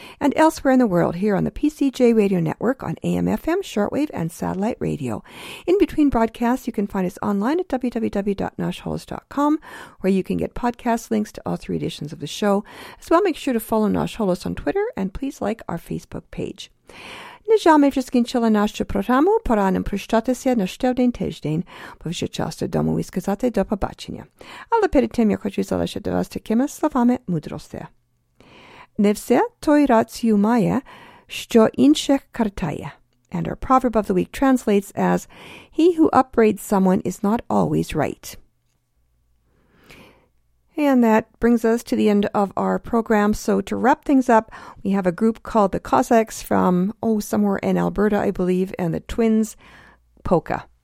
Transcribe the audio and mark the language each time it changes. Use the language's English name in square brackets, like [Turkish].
[English] And elsewhere in the world, here on the PCJ Radio Network on AM, FM, shortwave, and satellite radio. In between broadcasts, you can find us online at www.nashholos.com, where you can get podcast links to all three editions of the show. As well, make sure to follow Nash Holos on Twitter, and please like our Facebook page. [Ukrainian] Нежами вжескін чили нашу програму, пора нам прощатися на ще один тиждень, бо вже час додому і сказати до побачення. Але перед тим я хочу залишити вас такими словами мудрості. Не все той рацію має, що інших картає. [English] And our proverb of the week translates as, he who upbraids someone is not always right. And that brings us to the end of our program. So to wrap things up, we have a group called the Cossacks from, somewhere in Alberta, I believe, and the Twins Polka.